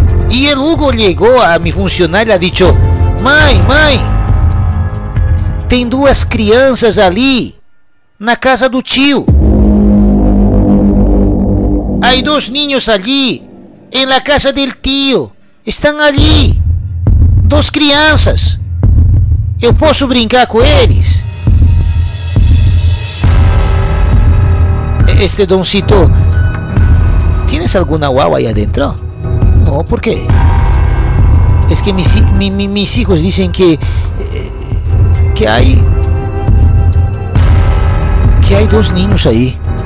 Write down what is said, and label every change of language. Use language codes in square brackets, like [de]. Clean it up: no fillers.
[es] Y el Hugo llegó a mi funcionaria y ha dicho: [pt] "Mãe, mãe, tem duas crianças ali na casa do tio. [es] Hay dos niños allí en la casa del tío. Están allí. Dos crianças. [pt] Eu posso brincar com eles?" [es] Este doncito, ¿tienes alguna guagua aí adentro? No, ¿por qué? Es que mis hijos dicen que hay dos niños ahí.